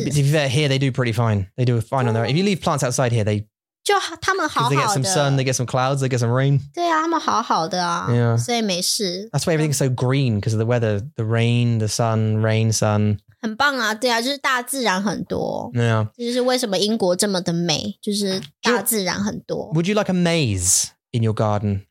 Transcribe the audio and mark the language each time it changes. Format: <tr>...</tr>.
<en>To be fair, here they do pretty fine. They do fine on their own. If you leave plants outside here, they get some sun, they get some clouds, they get some rain.</en> <zh>对啊,他们好好的啊,</zh> <en>yeah.</en> <zh>所以没事.</zh> <en>That's why everything's so green, because of the weather. The rain, the sun, rain, sun.</en> <zh>很棒啊, 对啊, 就是大自然很多.</zh> <en>Yeah.</en> <zh>就是为什么英国这么的美, 就是大自然很多.</zh> <en>Would you like a maze in your garden?</en>